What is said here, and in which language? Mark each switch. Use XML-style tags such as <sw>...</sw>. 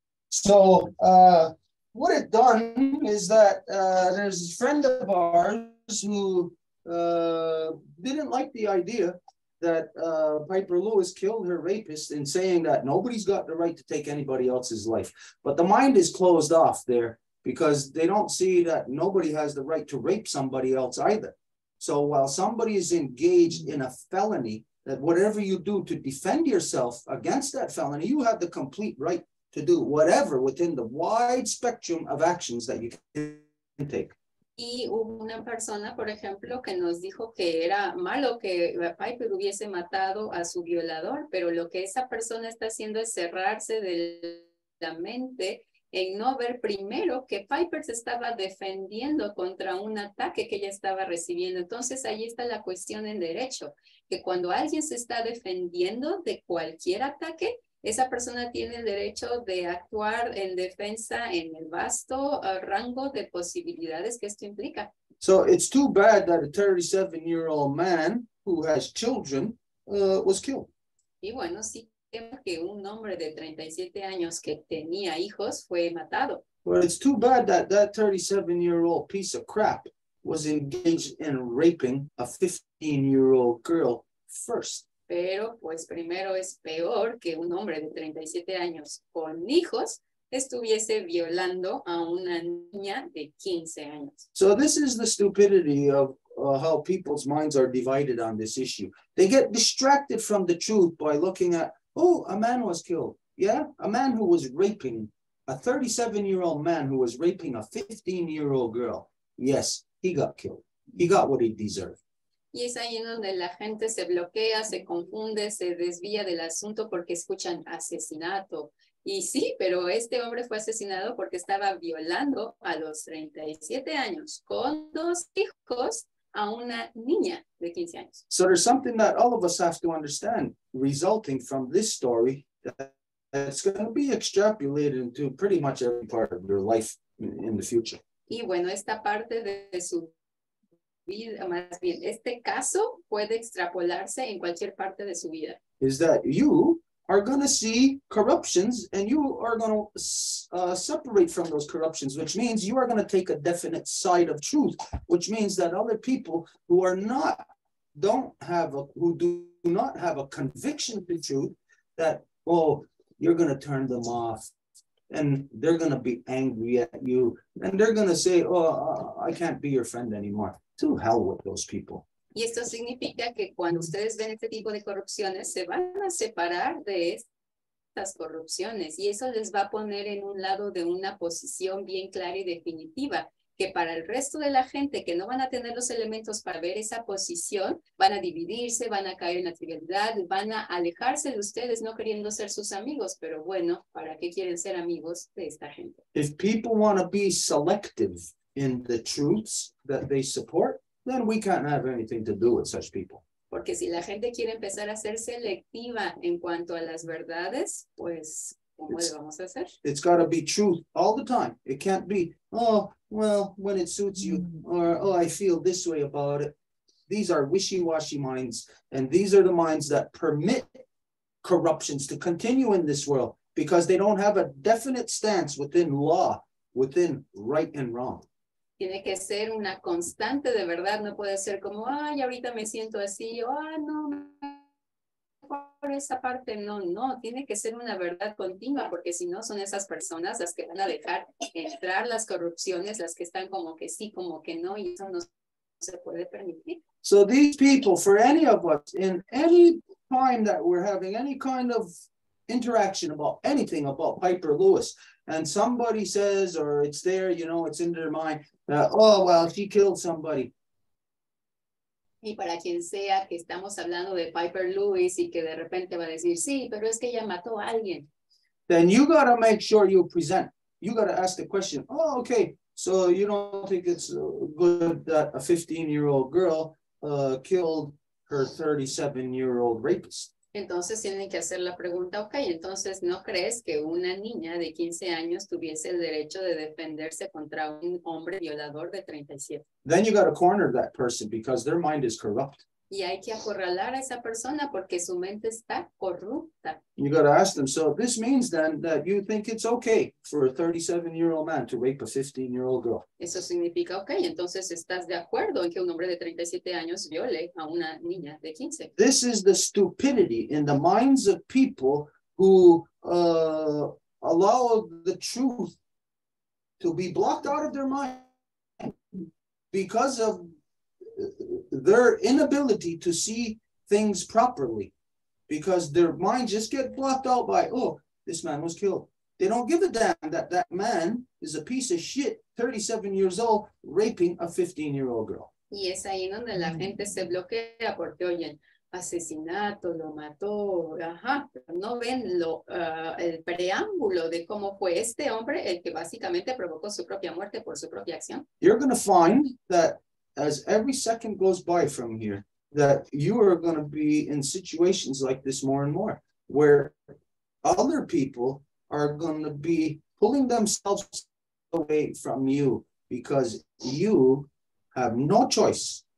<en>So, what it done is that there's a friend of ours who didn't like the idea that Piper Lewis killed her rapist in saying that nobody's got the right to take anybody else's life. But the mind is closed off there because they don't see that nobody has the right to rape somebody else either. So while somebody is engaged in a felony, that whatever you do to defend yourself against that felony, you have the complete right to do whatever within the wide spectrum of actions that you can take.</en> <es>Y hubo una persona, por ejemplo, que nos dijo que era malo que Piper hubiese matado a su violador, pero lo que esa persona está haciendo es cerrarse de la mente en no ver primero que Piper se estaba defendiendo contra un ataque que ella estaba recibiendo. Entonces, ahí está la cuestión en derecho, que cuando alguien se está defendiendo de cualquier ataque, esa persona tiene el derecho de actuar en defensa en el vasto rango de posibilidades que esto implica.</es> <en>So it's too bad that a 37-year-old man who has children was killed.</en> <es>Y bueno, sí que un hombre de 37 años que tenía hijos fue matado.</es> <en>Well, it's too bad that that 37-year-old piece of crap was engaged in raping a 15-year-old girl first.</en> <es>Pero pues primero es peor que un hombre de 37 años con hijos estuviese violando a una niña de 15 años.</es> <en>So this is the stupidity of how people's minds are divided on this issue. They get distracted from the truth by looking at, oh, a man was killed. Yeah, a man who was raping, a 37-year-old man who was raping a 15-year-old girl. Yes, he got killed. He got what he deserved.</en> <es>Y es ahí donde la gente se bloquea, se confunde, se desvía del asunto porque escuchan asesinato. Y sí, pero este hombre fue asesinado porque estaba violando a los 37 años con dos hijos a una niña de 15 años.</es> <en>So there's something that all of us have to understand resulting from this story that's going to be extrapolated into pretty much every part of your life in the future.</en> <es>Y bueno, esta parte de su vida, más bien, este caso puede extrapolarse en cualquier parte de su vida.</es> <en>Is that you are going to see corruptions and you are going to separate from those corruptions, which means you are going to take a definite side of truth, which means that other people who are not, who do not have a conviction to truth, that, oh, you're going to turn them off. And they're going to be angry at you. And they're going to say, oh, I can't be your friend anymore. To hell with those people.</en> <es>Y esto significa que cuando ustedes ven este tipo de corrupciones, se van a separar de estas corrupciones. Y eso les va a poner en un lado de una posición bien clara y definitiva. Que para el resto de la gente que no van a tener los elementos para ver esa posición, van a dividirse, van a caer en la trivialidad, van a alejarse de ustedes no queriendo ser sus amigos. Pero bueno, ¿para qué quieren ser amigos de esta gente?</es> <en>If people want to be selective in the truths that they support, then we can't have anything to do with such people.</en> <es>Porque si la gente quiere empezar a ser selectiva en cuanto a las verdades, pues...</es> <en>It's got to be truth all the time. It can't be, oh, well, when it suits you, or, oh, I feel this way about it. These are wishy-washy minds, and these are the minds that permit corruptions to continue in this world because they don't have a definite stance within law, within right and wrong.</en> <es>Tiene que ser una constante de verdad. No puede ser como, ay, ahorita me siento así, no, por esa parte, no, tiene que ser una verdad continua, porque si no son esas personas las que van a dejar entrar las corrupciones, las que están como que sí, como que no, y eso no se puede permitir.</es> <en>So these people, for any of us, in any time that we're having any kind of interaction about anything about Piper Lewis, and somebody says, or it's there, you know, it's in their mind, that, oh, well, she killed somebody.</en> <es>Y para quien sea que estamos hablando de Piper Lewis y que de repente va a decir, sí, pero es que ella mató a alguien.</es> <en>Then you got to make sure you present. You got to ask the question, oh, okay, so you don't think it's good that a 15-year-old girl killed her 37-year-old rapist.</en> <es>Entonces tienen que hacer la pregunta, okay, entonces no crees que una niña de 15 años tuviese el derecho de defenderse contra un hombre violador de 37.</es> <en>Then you got to corner that person because their mind is corrupt.</en> <es>Y hay que acorralar a esa persona porque su mente está corrupta.</es> <en>You got to ask them, so this means then that you think it's okay for a 37-year-old man to rape a 15-year-old girl.</en> <es>Eso significa, okay, entonces estás de acuerdo en que un hombre de 37 años viole a una niña de 15.</es> <en>This is the stupidity in the minds of people who allow the truth to be blocked out of their mind because of their inability to see things properly, because their minds just get blocked out by, oh, this man was killed. They don't give a damn that that man is a piece of shit, 37 years old, raping a 15-year-old girl.</en> <es>Y es ahí donde la gente se bloquea porque oyen, asesinato, lo mató, ajá, no ven lo, el preámbulo de cómo fue este hombre el que básicamente provocó su propia muerte por su propia acción.</es> <en>You're going to find that as every second goes by from here, that you are going to be in situations like this more and more, where other people are going to be pulling themselves away from you because you have no choice.</en>